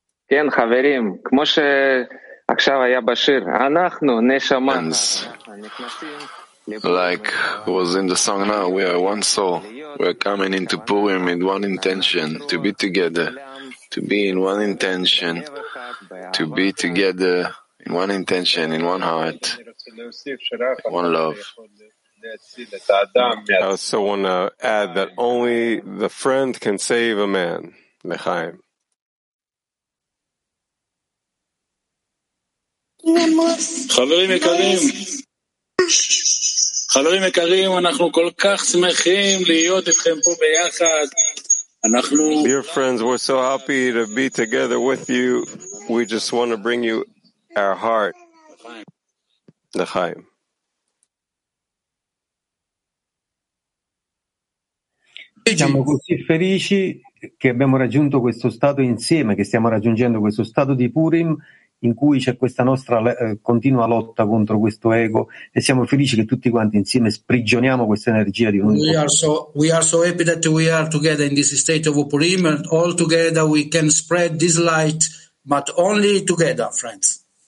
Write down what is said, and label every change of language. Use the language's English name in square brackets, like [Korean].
[Hebrew] כן, חברים, כמו שעכשיו היה בשיר, אנחנו נשמה. [English] And like was in the song now, we are one soul. We are coming into Purim with one intention, to be together, to be in one intention, to be together in one intention, in one heart, in one love. I also want to add that only the friend can save a man. [Hebrew] L'chaim. חברים יקרים, אנחנו כל כך שמחים להיות איתכם פה ביחד. אנחנו. [English] Dear friends, we're so happy to be together with you. We just want to bring you our heart. [Hebrew] L'chaim. [Italian] Siamo così felici che abbiamo raggiunto questo stato insieme, che stiamo raggiungendo questo stato di Purim. In cui c'è questa nostra continua lotta contro questo ego e siamo felici che tutti quanti insieme sprigioniamo questa energia di unione. [English] We are so happy that we are together in this state of Purim and all together we can spread this light, but only together, friends.